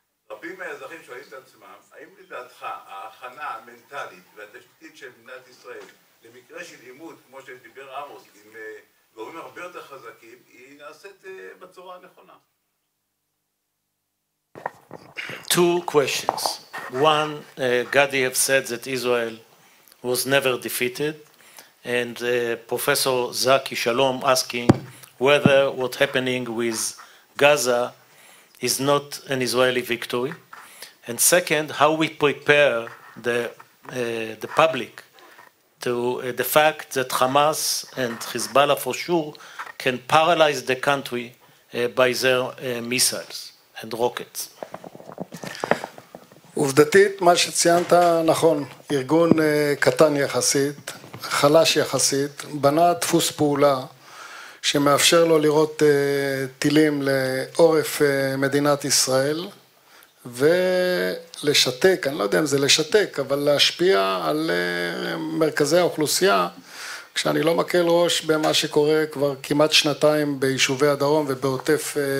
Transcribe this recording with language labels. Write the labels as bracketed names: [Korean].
[Hebrew] רבים מהאזרחים שואלים את עצמם, האם לדעתך ההכנה המנטלית והתשתית של מדינת ישראל למקרה של עימות, כמו שדיבר עמוס, עם גורמים הרבה יותר חזקים, היא נעשית בצורה הנכונה? [English] Two questions. One, Gadi have said that Israel was never defeated, and Professor Zaki Shalom asking whether what's happening with Gaza is not an Israeli victory, and second, how we prepare the public to the fact that Hamas and Hezbollah for sure can paralyze the country by their missiles and rockets. [Hebrew] עובדתית, מה שציינת נכון, ארגון קטן יחסית, חלש יחסית, בנה דפוס פעולה שמאפשר לו לראות טילים לעורף מדינת ישראל ולשתק, אני לא יודע אם זה לשתק, אבל להשפיע על מרכזי האוכלוסייה, כשאני לא מקל ראש במה שקורה כבר כמעט שנתיים ביישובי הדרום ובעוטף